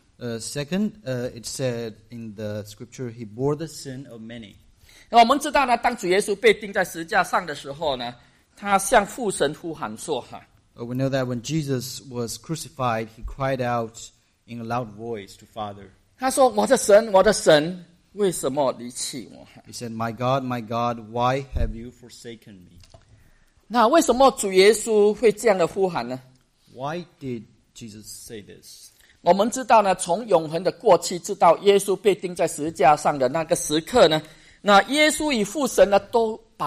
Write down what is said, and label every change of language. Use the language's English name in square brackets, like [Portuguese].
[English] It said in the scripture, he bore the sin of many. [Chinese] 那我们知道呢，当主耶稣被钉在十字架上的时候呢。他向父神呼喊说, [English] we know that when Jesus was crucified, he cried out in a loud voice to Father. [Chinese] 他说, 我的神, 为什么离弃我? [English] He said, my God, why have you forsaken me? [Chinese] 那为什么主耶稣会这样的呼喊呢? [English] Why did Jesus say this? [Chinese] 我们知道呢, 从永恒的过去知道耶稣被钉在十字架上的那个时刻呢, 那耶稣与父神呢都